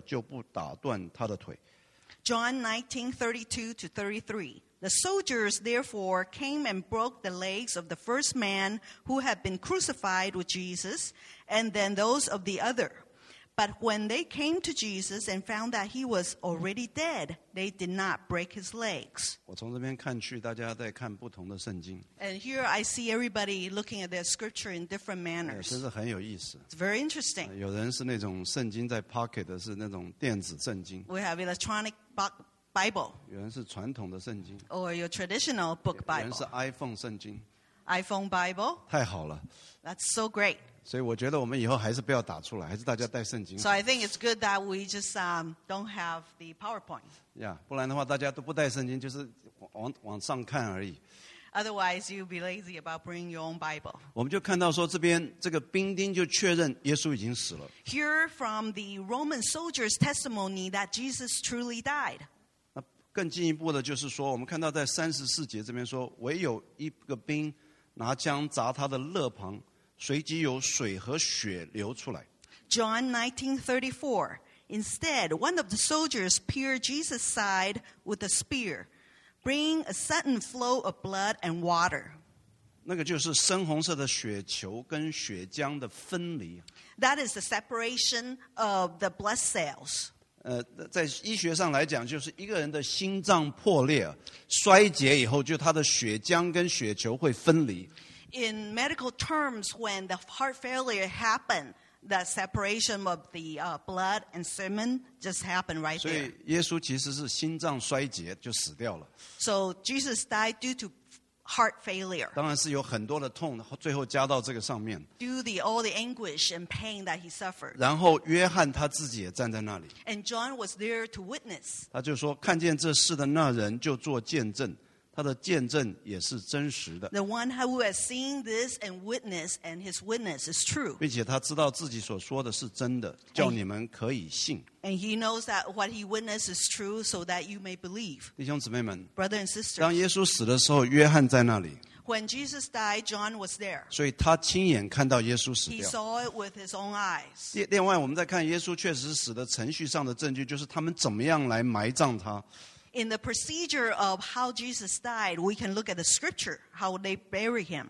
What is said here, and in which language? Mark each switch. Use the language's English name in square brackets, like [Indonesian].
[Chinese] 于是兵丁来把头一个人的腿，并耶稣同定第二个人的腿都打断了，只是来到耶稣那里，见他已经死了，就不打断他的腿。John [English] 19:32-33. The soldiers therefore came and broke the legs of the first man who had been crucified with Jesus, and then those of the other. But when they came to Jesus and found that he was already dead, they did not break his legs. [Chinese] 我从这边看去, 大家在看不同的圣经。 [English] And here I see everybody looking at their scripture in different manners. [Chinese] 真是很有意思。 [English] It's very interesting. [Chinese] 有人是那种圣经在 [English] pocket [Chinese] 的, 是那种电子圣经。 [English] We have electronic Bible. [Chinese] 有人是传统的圣经。 [English] Or your traditional book Bible. [Chinese] 有人是iPhone圣经。 [English] iPhone Bible. [Chinese] 太好了。 [English] That's so great. [Chinese] 所以我觉得我们以后还是不要打出来，还是大家带圣经。 [English] So I think it's good that we just don't have the PowerPoint. Yeah, [Chinese] 不然的话大家都不带圣经，就是往上看而已。 [English] Otherwise, you'd be lazy about bringing your own Bible. [Chinese] 我们就看到说这边这个兵丁就确认耶稣已经死了。 [English] Hear from the Roman soldier's testimony that Jesus truly died. [Chinese] 更进一步的就是说，我们看到在三十四节这边说，唯有一个兵拿枪砸他的肋旁，随即有水和血流出来。 [English] John 19:34. Instead, one of the soldiers pierced Jesus' side with a spear, bringing a sudden flow of blood and water. [Chinese] 那个就是深红色的血球跟血浆的分离。 [English] That is the separation of the blood cells. [Chinese] 在医学上来讲，就是一个人的心脏破裂、衰竭以后，就他的血浆跟血球会分离。 [English] In medical terms, when the heart failure happened, the separation of the blood and semen just happened right there. [Chinese] 所以耶稣其实是心脏衰竭就死掉了。 [English] So Jesus died due to heart failure. [Chinese] 当然是有很多的痛，最后加到这个上面。 [English] Due to all the anguish and pain that he suffered. [Chinese] 然后约翰他自己也站在那里。 [English] And John was there to witness. [Chinese] 他就说，看见这事的那人就做见证。他的见证也是真实的。 [English] The one who has seen this and witnessed, and his witness is true. [Chinese] 并且他知道自己所说的是真的，叫你们可以信。 [English] And he knows that what he witnessed is true, so that you may believe. [Chinese] 弟兄姊妹们 [English] ，brothers and sisters， [Chinese] 当耶稣死的时候，约翰在那里。 [English] When Jesus died, John was there. [Chinese] 所以他亲眼看到耶稣死掉。 [English] He saw it with his own eyes. [Chinese] 另外，我们再看耶稣确实死的程序上的证据，就是他们怎么样来埋葬他。 [English] In the procedure of how Jesus died, we can look at the scripture, how they bury him.